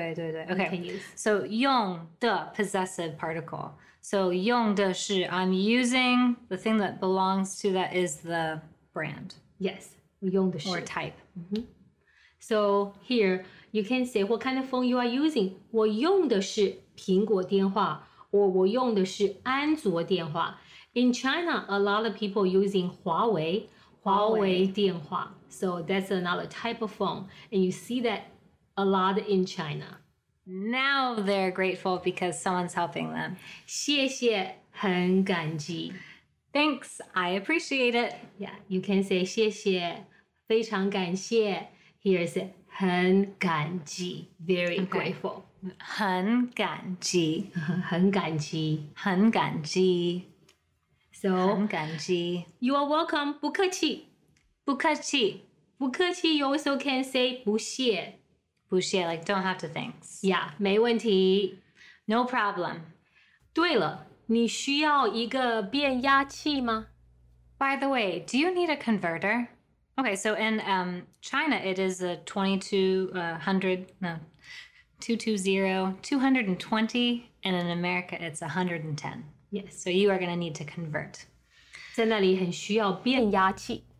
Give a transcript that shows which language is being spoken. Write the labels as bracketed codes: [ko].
[zh] 对对对. [en] Okay. So 用 the possessive particle. So [zh] 用的是 [en] I'm using the thing that belongs to that is the brand. Yes. [zh] 用的是 [en] or type. Mm-hmm. So here you can say what kind of phone you are using. [zh] 我用的是 苹果电话, or 我用的是安卓电话. [en] In China, a lot of people using Huawei, 华为电话. So that's another type of phone. And you see that a lot in China. Now they're grateful because someone's helping them. [zh] 谢谢,很感激. [en] Thanks, I appreciate it. Yeah, you can say [zh] 谢谢,非常感谢. [en] Here is it. [zh] 很感激, [en] very grateful. [zh] 很感激, 很感激, 很感激. [en] So, [zh] 很感激. [en] You are welcome, [zh] 不客气. 不客气. 不客气, [en] you also can say [zh] 不谢. 不谢, [en] like don't have to thanks. Yeah, [zh] 没问题. [en] No problem. [zh] 对了, 你需要一个变压器吗? [en] By the way, do you need a converter? Okay, so in China, it is a 220, and in America, it's 110. Yes. So you are going to need to convert. [zh] 在那里很需要变压器.